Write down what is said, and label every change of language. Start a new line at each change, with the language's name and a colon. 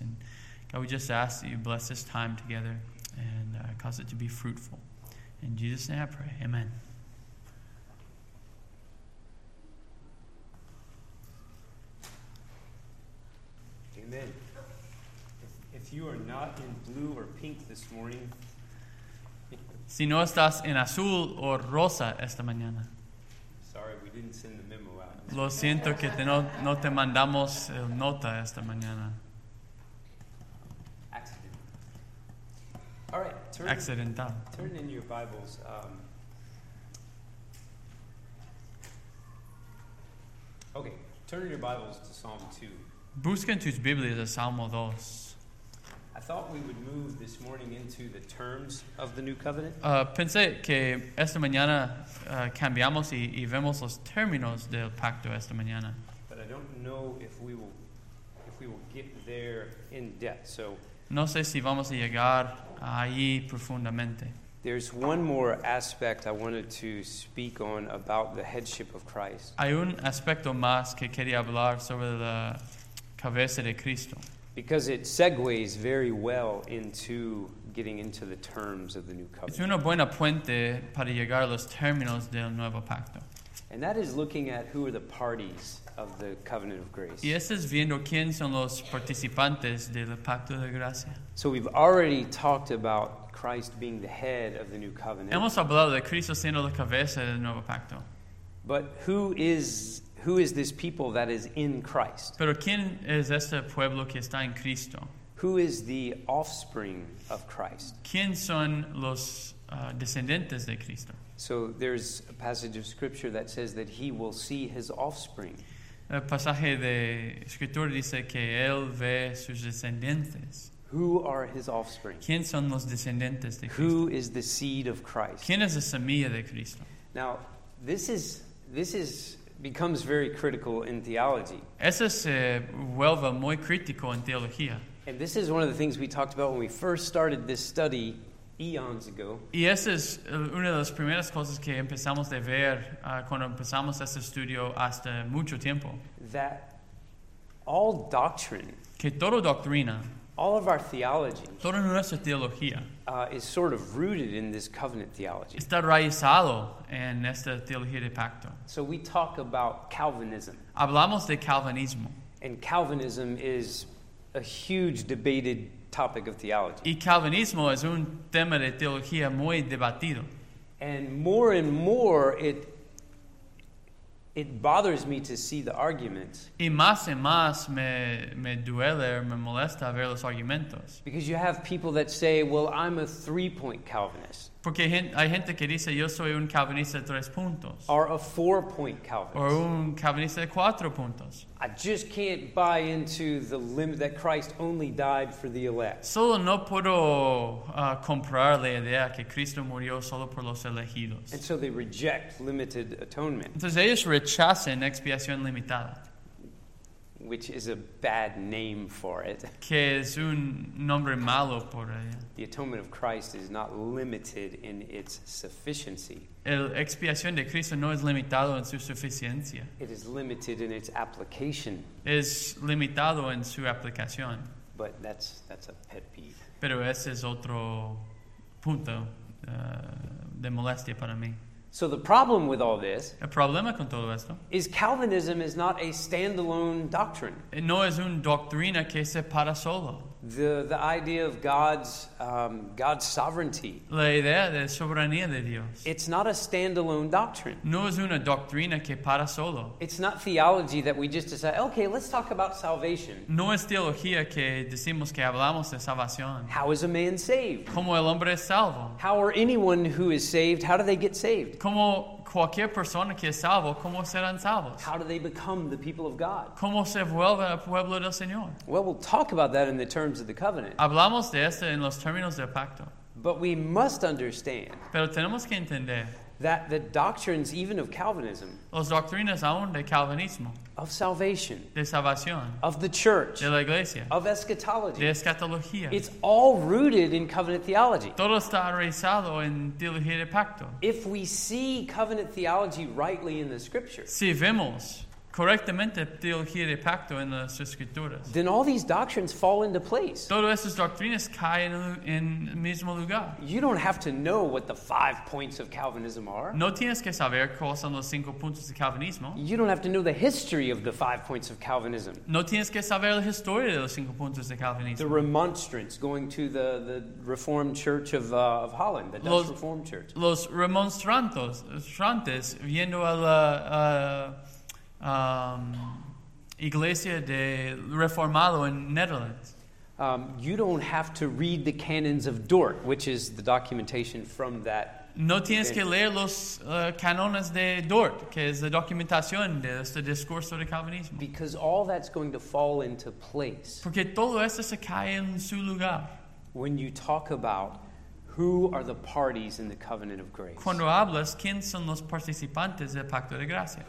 English: And God, we just ask that you bless this time together and cause it to be fruitful. In Jesus' name I pray. Amen. Amen. If you are not in blue or pink this morning,
Spanish: si no estás en azul o rosa esta mañana,
English: didn't send the memo out.
Spanish: Lo siento que no te mandamos nota esta mañana.
English: Accident. All right. Accidental. Turn in your Bibles. Turn in your Bibles to Psalm 2.
Spanish: Busquen tus Biblias a Salmo 2.
English: I thought we would move this morning into the terms of the new covenant.
Spanish: Pensé que esta mañana cambiamos y vemos los términos del pacto esta mañana.
English: But I don't know if we will get there in depth. So
Spanish: no sé si vamos a llegar ahí profundamente.
English: There's one more aspect I wanted to speak on about the headship of Christ.
Spanish: Hay un aspecto más que quería hablar sobre la cabeza de Cristo.
English: Because it segues very well into getting into the terms of the new covenant.
Spanish: Es una buena puente para llegar a los términos del nuevo pacto.
English: And that is looking at who are the parties of the covenant of grace.
Spanish: Y este es viendo quién son los participantes del pacto de gracia.
English: So we've already talked about Christ being the head of the new covenant.
Spanish: Hemos hablado de Cristo siendo la cabeza del nuevo pacto.
English: But who is this people that is in Christ?
Spanish: Pero ¿quién es este pueblo que está en Cristo?
English: Who is the offspring of Christ?
Spanish: ¿Quién son los descendientes de Cristo?
English: So there's a passage of scripture that says that he will see his offspring.
Spanish: El pasaje de escritura dice que él ve sus descendientes.
English: Who are his offspring?
Spanish: ¿Quién son los descendientes de Cristo?
English: Who is the seed of Christ?
Spanish: ¿Quién es la semilla de Cristo?
English: Now, this is becomes very critical in theology.
Spanish: Eso se vuelve muy crítico en teología.
English: And this is one of the things we talked about when we first started this study eons ago.
Spanish: Y esa es una de las primeras cosas que empezamos a ver cuando empezamos este estudio hasta mucho tiempo.
English: That all doctrine,
Spanish: que toda doctrina,
English: all of our theology,
Spanish: toda nuestra teología,
English: is sort of rooted in this covenant theology.
Spanish: Está raizado en esta teología de pacto.
English: So we talk about Calvinism.
Spanish: Hablamos de Calvinismo.
English: And Calvinism is a huge debated topic of theology.
Spanish: Y Calvinismo es un tema de teología muy debatido.
English: And more it bothers me to see the arguments.
Spanish: Y más y más me duele, me molesta ver los argumentos.
English: Because you have people that say, well, I'm a three-point Calvinist.
Spanish: Porque hay gente que dice, yo soy un Calvinista de tres puntos.
English: Or a four-point Calvinist.
Spanish: Or un Calvinista de cuatro puntos.
English: I just can't buy into the limit that Christ only died for the elect.
Spanish: Solo no puedo comprar la idea que Cristo murió solo por los elegidos.
English: And so they reject limited atonement.
Spanish: Entonces ellos rechazan expiación limitada.
English: Which is a bad name for it.
Spanish: Que es un nombre malo por ella.
English: The atonement of Christ is not limited in its sufficiency.
Spanish: El expiación de Cristo no es limitado en su suficiencia.
English: It is limited in its application.
Spanish: Es limitado en su aplicación.
English: But that's a pet peeve.
Spanish: Pero ese es otro punto de molestia para mí.
English: So the problem with all this,
Spanish: el problema con todo esto,
English: is Calvinism is not a standalone doctrine.
Spanish: No es una doctrina que se para solo.
English: The idea of God's sovereignty.
Spanish: La idea de soberanía de Dios.
English: It's not a standalone doctrine.
Spanish: No es una doctrina que para solo.
English: It's not theology that we just decide, okay, let's talk about salvation.
Spanish: No es teología que decimos que hablamos de salvación.
English: How is a man saved?
Spanish: ¿Cómo el hombre es salvo?
English: How are anyone who is saved, how do they get saved?
Spanish: ¿Cómo cualquier persona que es salvo, cómo serán salvos?
English: How do they become the people of God?
Spanish: ¿Cómo se vuelve el pueblo del Señor?
English: Well, we'll talk about that in the terms of the covenant.
Spanish: Hablamos de esto en los términos del pacto.
English: But we must understand.
Spanish: Pero tenemos que entender.
English: that the doctrines even of Calvinism,
Spanish: las doctrinas aún de Calvinismo,
English: of salvation,
Spanish: de salvación,
English: of the church,
Spanish: de la iglesia,
English: of eschatology,
Spanish: de escatología,
English: it's all rooted in covenant theology.
Spanish: Todo está arraigado en teología de pacto.
English: If we see covenant theology rightly in the scripture,
Spanish: si vemos correctamente teología de pacto en las escrituras,
English: then all these doctrines fall into place.
Spanish: Todas esas doctrinas caen en el mismo lugar.
English: You don't have to know what the 5 points of Calvinism are.
Spanish: No tienes que saber cuáles son los 5 puntos de Calvinismo.
English: You don't have to know the history of the 5 points of Calvinism.
Spanish: No tienes que saber la historia de los 5 puntos de Calvinismo.
English: The remonstrance going to the Reformed Church of Holland, the Dutch Reformed Church.
Spanish: Los remonstrantes viendo a la Iglesia de Reformado in Netherlands.
English: You don't have to read the canons of Dort, which is the documentation from that.
Spanish: No tienes que leer los canones de Dort, que es la documentación de este discurso de Calvinismo.
English: Because all that's going to fall into place.
Spanish: Porque todo esto se cae en su lugar.
English: When you talk about who are the parties in the covenant of grace?
Spanish: Cuando hablas, ¿quién son los participantes del pacto de gracia?